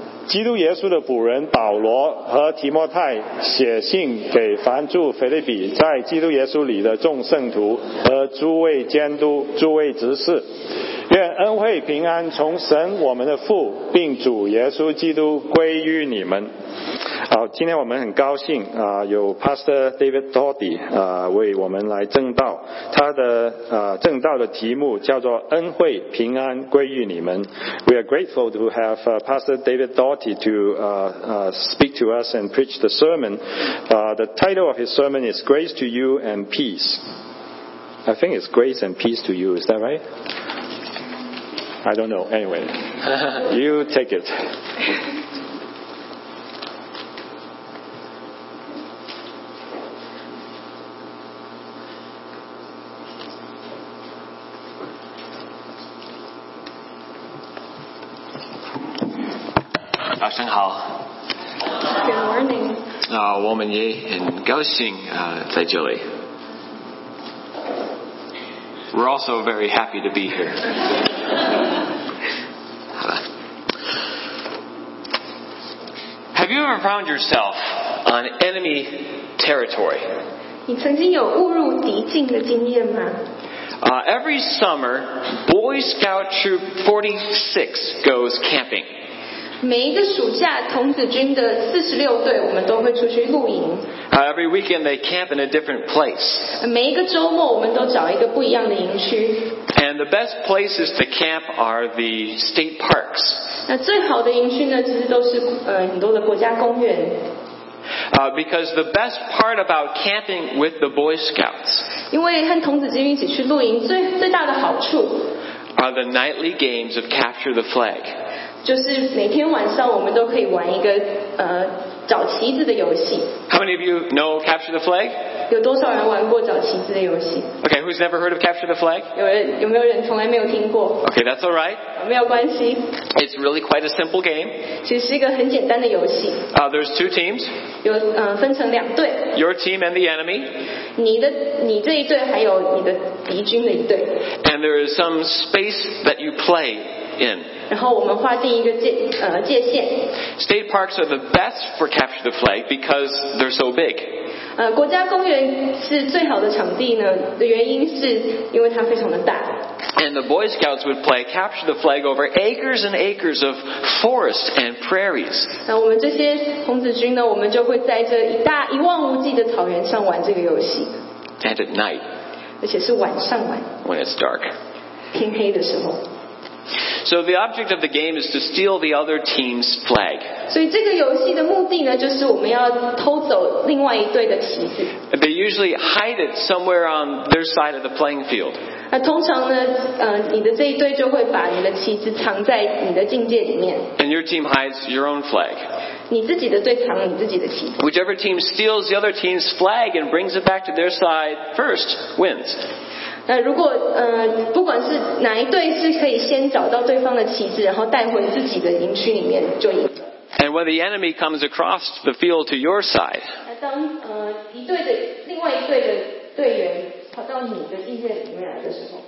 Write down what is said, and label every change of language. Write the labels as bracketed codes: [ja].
[zh] 基督耶稣的仆人保罗和提摩太写信给凡住腓立比在基督耶稣里的众圣徒和诸位监督、诸位执事，愿恩惠平安从神我们的父并主耶稣基督归于你们。好，今天我们很高兴有 Pastor David Toddy 为我们来证道。他的证道的题目叫做恩惠平安归于你们。 [en] We are grateful to have Pastor David Toddy to speak to us and preach the sermon. The title of his sermon is Grace to You and Peace. I think it's Grace and Peace to You, is that right? I don't know. Anyway, you take it. Good morning. [zh] 我们也很高兴在这里。 [en] We're also very happy to be here. [zh] 好吧。 [en] Have you ever found yourself on enemy territory? [zh] 你曾经有误入敌境的经验吗？ [en] Every summer, Boy Scout Troop 46 goes camping. [zh] 每一个暑假，童子军的46队，我们都会出去露营。 [en] Every weekend they camp in a different place. [zh] 每一个周末我们都找一个不一样的营区。 [en] And the best places to camp are the state parks. [zh] 那最好的营区呢，其实都是很多的国家公园。 [en] Because the best part about camping with the Boy Scouts. [zh] 因为和童子军一起去露营，最大的好处。 [en] Are the nightly games of capture the flag. [zh] 就是每天晚上我们都可以玩一个找旗子的游戏。 [en] How many of you know Capture the Flag? [zh] 有多少人玩过找旗子的游戏？ [en] Okay, who's never heard of Capture the Flag? [zh] 有没有人从来没有听过？ [en] Okay, that's all right. [zh] 没有关系。 [en] It's really quite a simple game. [zh] 其实是一个很简单的游戏。 [en] There's two teams. [zh] 有分成两队。 [en] Your team and the enemy. [zh] 你这一队还有你的敌军的一队。 [en] And there is some space that you play. In. [zh] 然后我们划定一个界限。 [en] State parks are the best for capture the flag because they're so big. [zh] 国家公园是最好的场地呢，的原因是因为它非常的大。 [en] And the Boy Scouts would play capture the flag over acres and acres of forest and prairies. [zh] 那我们这些童子军呢，我们就会在这一望无际的草原上玩这个游戏。 [en] And at night. [zh] 而且是晚上玩。 [en] When it's dark. [zh] 天黑的时候。 [en] So the object of the game is to steal the other team's flag. [zh] 所以这个游戏的目的呢，就是我们要偷走另外一队的旗子。 [en] They usually hide it somewhere on their side of the playing field. [zh] 那通常呢，你的这一队就会把你的旗子藏在你的境界里面。 [en] And your team hides your own flag. [zh] 你自己的队藏你自己的旗子。 [en] Whichever team steals the other team's flag and brings it back to their side first wins. [zh] 如果不管是哪一队是可以先找到对方的旗子，然后带回自己的营区里面就赢。 [en] And when the enemy comes across the field to your side, [zh] 当另外一队的队员跑到你的境界里面来的时候